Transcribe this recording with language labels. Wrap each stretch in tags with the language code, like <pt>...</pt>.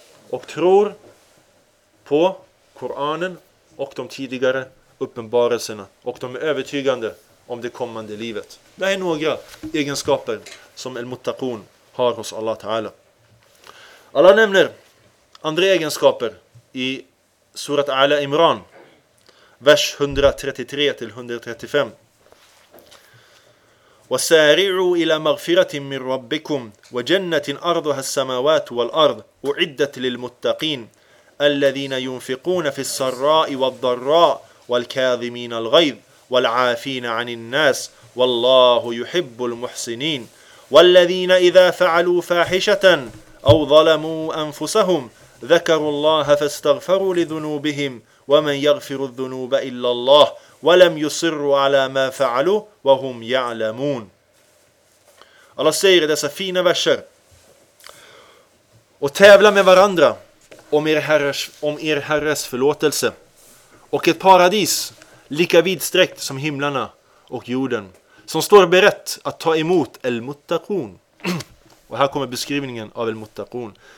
<sv>Och tror på Koranen och de tidigare uppenbarelserna, och de är övertygande om det kommande livet. Det är några egenskaper som al-muttaqun har hos Allah Ta'ala. Allah nämner andra egenskaper i surat Ala Imran, vers 133-135.</sv> <ar>"Wasari'u ila maghfiratin min rabbikum wa jannatin arduha as-samawati wal ard u'iddat lil muttaqin alladhina yunfiquna fis sarra'i wad dharra'i والكاظمين الغيظ والعافين عن الناس والله يحب المحسنين والذين إذا فعلوا فاحشة أو ظلموا أنفسهم ذكروا الله فاستغفروا لذنوبهم ومن يغفر الذنوب إلا الله ولم يصروا على ما فعلوا وهم يعلمون."</ar> <sv>Allah säger dessa fina verser: "Och tävla med varandra om er herres förlåtelse, och ett paradis lika vidsträckt som himlarna och jorden, som står berett att ta emot el-muttaqun. Och här kommer beskrivningen av el-muttaqun.</sv>